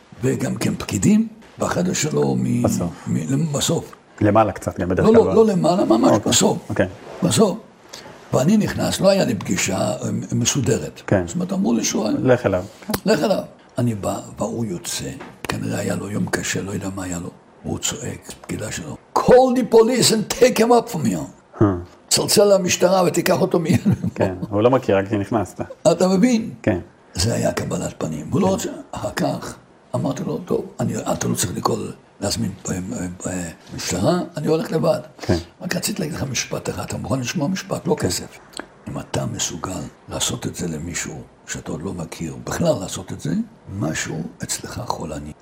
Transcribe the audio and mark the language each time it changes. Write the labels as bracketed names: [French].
[Hebrew] וגם כן פקידים, והחדר שלו בסוף. למעלה קצת גם בדרך כלל. לא, לא למעלה, ממש אוקיי. בסוף. אוקיי. בסוף. ואני נכנס, לא היה לי פגישה מסודרת. כן. זאת אומרת, אמרו לי שהוא... לך אליו. לך אליו. אני בא, והוא יוצא, כנראה היה לו יום קשה, לא יודע מה היה לו. הוא צועק, פקידה שלו, [English] call the police and take him up from here. [Hebrew] צלצל למשטרה ותיקח אותו מיד. כן, הוא לא מכיר, רק שנכנסת. אתה מבין? כן. זה היה קבלת פנים. הוא לא רוצה, אחר כך אמרתי לו, טוב, אתה לא צריך לקרוא להזמין במשטרה, אני הולך לבד. כן. רק רציתי להגיד לך משפט אחד, אתה מוכן לשמוע משפט, לא כסף. אם אתה מסוגל לעשות את זה למישהו שאתה עוד לא מכיר, בכלל לעשות את זה, משהו אצלך חולני.